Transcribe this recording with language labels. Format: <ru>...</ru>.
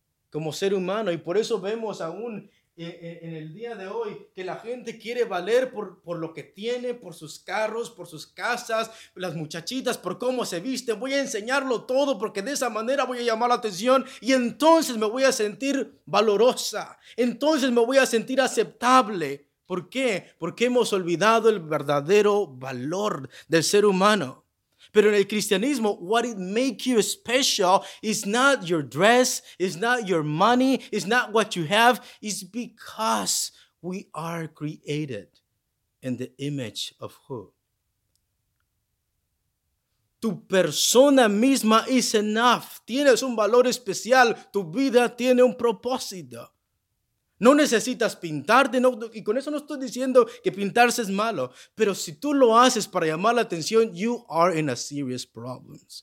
<es>Como ser humano. Y por eso vemos aún en el día de hoy que la gente quiere valer por lo que tiene, por sus carros, por sus casas, las muchachitas, por cómo se visten. Voy a enseñarlo todo porque de esa manera voy a llamar la atención y entonces me voy a sentir valorosa. Entonces me voy a sentir aceptable. ¿Por qué? Porque hemos olvidado el verdadero valor del ser humano. Pero en el cristianismo,</es> <en>what it makes you special is not your dress, is not your money, is not what you have, is because we are created in the image of who?</en> <es>Tu persona misma</es> <en>is enough.</en> <es>Tienes un valor especial. Tu vida tiene un propósito. No necesitas pintarte, no, y con eso no estoy diciendo que pintarse es malo, pero si tú lo haces para llamar la atención,</es> <en>you are in a serious problem.</en>